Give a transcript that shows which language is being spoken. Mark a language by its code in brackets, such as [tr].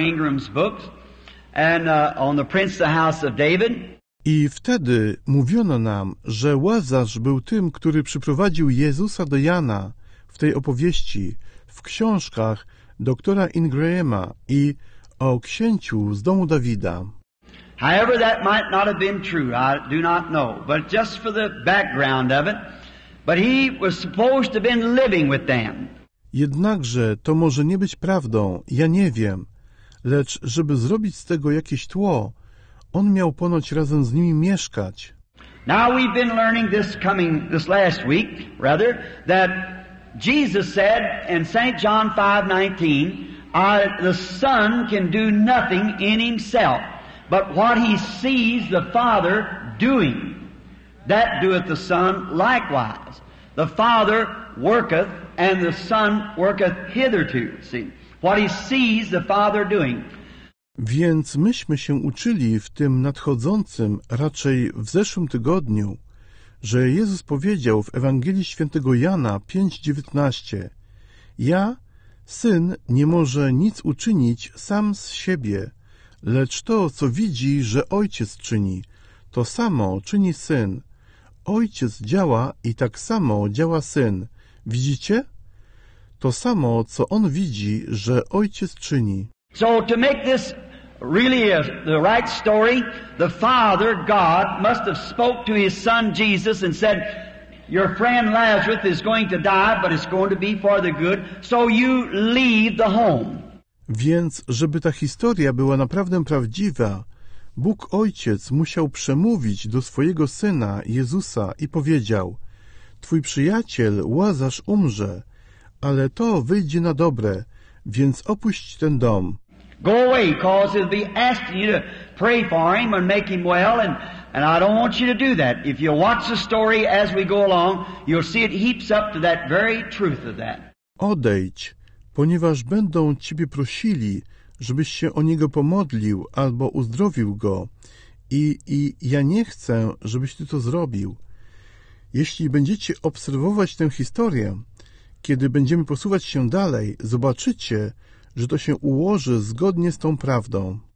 [en] Ingram's books and on the Prince of the House of David. [pl] I wtedy mówiono nam, że Łazarz był tym, który przyprowadził Jezusa do Jana w tej opowieści, w książkach doktora Ingrahama i o księciu z domu Dawida. [en] However that might not have been true, I do not know, but just for the background of it, but he was supposed to have been living with them. [pl] Jednakże to może nie być prawdą, ja nie wiem, lecz żeby zrobić z tego jakieś tło, on miał ponoć razem z nimi mieszkać. [en] Now we've been learning this last week, rather, that Jesus said in St. John 5:19, the Son can do nothing in himself, but what he sees the Father doing, that doeth the Son likewise. The Father worketh, and the Son worketh hitherto. See, what he sees the Father doing. [pl] Więc myśmy się uczyli w tym nadchodzącym, raczej w zeszłym tygodniu, że Jezus powiedział w Ewangelii Świętego Jana 5:19: Ja, Syn, nie może nic uczynić sam z siebie, lecz to, co widzi, że Ojciec czyni, to samo czyni Syn. Ojciec działa i tak samo działa Syn. Widzicie? To samo, co On widzi, że Ojciec czyni. [en] So to make this really a, the right story, the Father, God, must have spoke to His Son Jesus and said, your friend Lazarus is going to die, but it's going to be for the good, so you leave the home. [pl] Więc, żeby ta historia była naprawdę prawdziwa, Bóg Ojciec musiał przemówić do swojego Syna Jezusa i powiedział, Twój przyjaciel Łazarz umrze, ale to wyjdzie na dobre, więc opuść ten dom. [en] Go away, cause he'll be asking you to pray for him and make him well, and I don't want you to do that. If you watch the story as we go along, you'll see it heaps up to that very truth of that. [pl] Odejdź, ponieważ będą ciebie prosili, żebyś się o niego pomodlił albo uzdrowił go, i ja nie chcę, żebyś ty to zrobił. Jeśli będziecie obserwować tę historię, kiedy będziemy posuwać się dalej, zobaczycie, że to się ułoży zgodnie z tą prawdą.